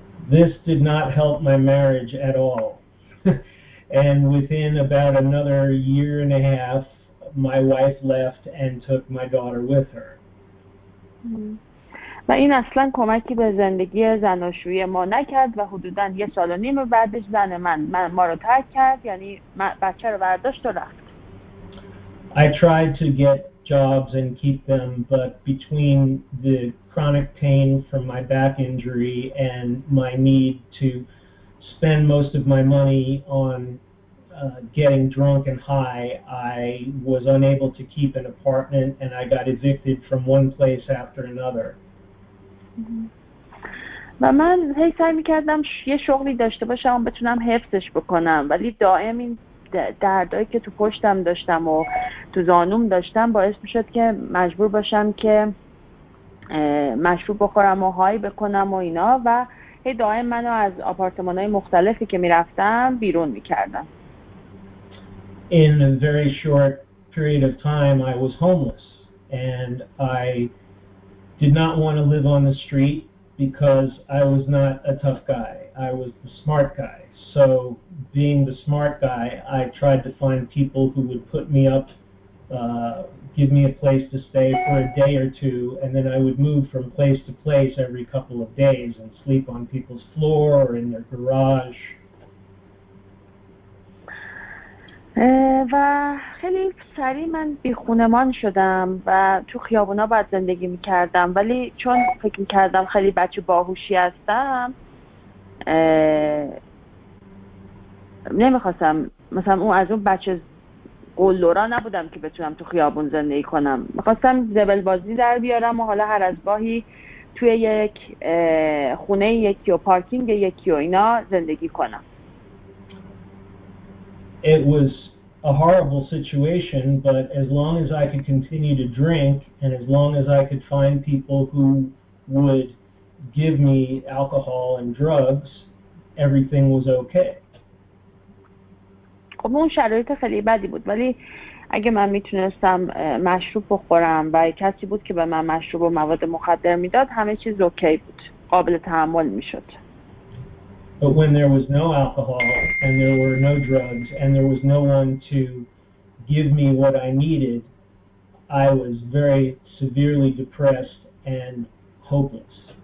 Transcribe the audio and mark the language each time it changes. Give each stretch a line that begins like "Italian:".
English: This did not help my marriage at all. And within about another year and a half, my wife left and took my daughter with her.
Persian: و این اصلا کمکی به زندگی زناشویی ما نکرد و حدوداً یه سال و نیم بعدش زن من ما رو ترک کرد، یعنی بچه رو برداشت و رفت.
English: I tried to get jobs and keep them, but between the chronic pain from my back injury and my need to spend most of my money on getting drunk and high, I was unable to keep an apartment and I got evicted from one place after another.
Persian: و من هی سعی میکردم یه شغلی داشته باشم و بتونم حفظش بکنم ولی دائم این دردهایی که تو پشتم داشتم و تو زانوم داشتم باعث میشد که مجبور باشم که مشروب بخورم و های بکنم و اینا و هی دائم منو از آپارتمان‌های مختلفی که می‌رفتم بیرون می‌کردن.
English: In a very short period of time I was homeless and I did not want to live on the street because I was not a tough guy. I was the smart guy. So being the smart guy, I tried to find people who would put me up give me a place to stay for a day or two, and then I would move from place to place every couple of days and sleep on people's floor or in their garage.
Persian: و خیلی سریع من بی خونمان شدم و تو خیابونا باید زندگی میکردم ولی چون فکر میکردم خیلی بچه باهوشی هستم نمیخواستم مثلا اون از اون بچه قلدرا نبودم که بتونم تو خیابون زندگی کنم. میخواستم زبل بازی در بیارم و حالا هر از گاهی توی یک خونه یکی و پارکینگ یکی و اینا زندگی کنم.
English: It was a horrible situation, but as long as I could continue to drink and as long as I could find people who would give me alcohol and drugs, everything was okay.
Persian: خب اون شرایط خیلی بدی بود، ولی اگه من میتونستم مشروب بخورم و کسی بود که به من مشروب و مواد مخدر میداد، همه چیز اوکی بود، قابل تحمل میشد.
English: But when there was no alcohol and there were no drugs and there was no one to give me what I needed, I was very severely depressed and hopeless.